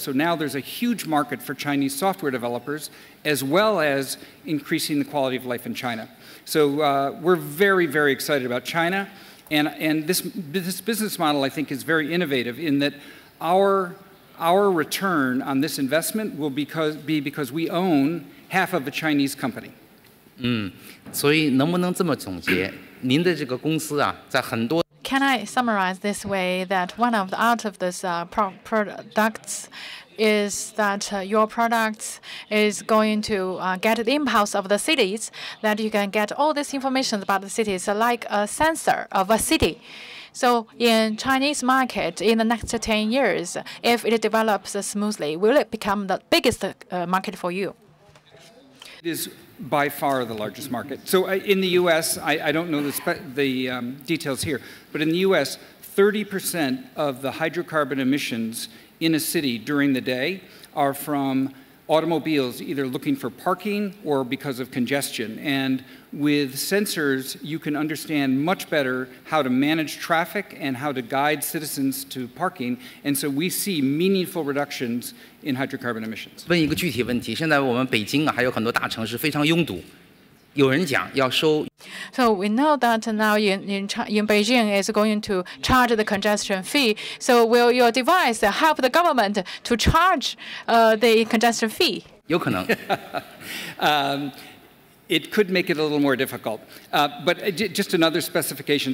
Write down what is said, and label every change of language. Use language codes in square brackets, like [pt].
[en] So now there's a huge market for Chinese software developers, as well as increasing the quality of life in China. So we're very, very excited about China. And this business model, I think, is very innovative in that our return on this investment will be because we own half of a Chinese company. [zh] 所以能不能这么总结，您的这个公司啊，在很多 [en] Can I summarize this way that one of the out of this products is that your products is going to get the impulse of the cities, that you can get all this information about the cities like a sensor of a city. So in Chinese market, in the next 10 years, if it develops smoothly, will it become the biggest market for you? It is by far the largest market. So in the US, I don't know details here, but in the US, 30% of the hydrocarbon emissions in a city during the day are from automobiles either looking for parking or because of congestion. And with sensors, you can understand much better how to manage traffic and how to guide citizens to parking. And so we see meaningful reductions in hydrocarbon emissions. [zh] 问一个具体问题，现在我们北京啊，还有很多大城市非常拥堵。 [en] So we know that now in Beijing is going to charge the congestion fee. So will your device help the government to charge the congestion fee? [zh] 有可能. [en] It could make it a little more difficult. But just another specification.